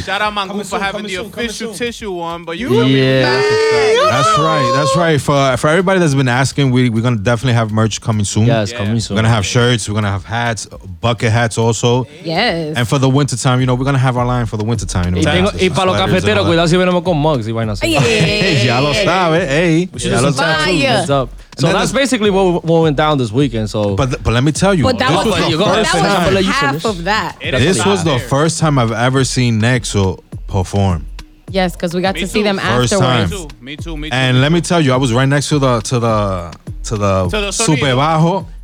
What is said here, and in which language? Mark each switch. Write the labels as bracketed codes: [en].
[en] Shout out Mangu for having the official tissue one, but you That's right. For everybody that's been asking, we're going to definitely have merch coming soon. Yes, coming soon. We're going to have shirts. We're gonna have hats, bucket hats also. Yes. And for the winter time, you know, we're gonna have our line for the winter time. [es] Y para los cafeteros, cuidado si venimos con mugs y vainas. Ya lo sabe, hey. Ya lo sabe. [en] What's up? So that's basically what went down this weekend. So, but let me tell you, this was the first time I've ever seen Nexo perform. Yes, because we got to see them afterwards. Me too. And let me tell you, I was right next to the super bajo.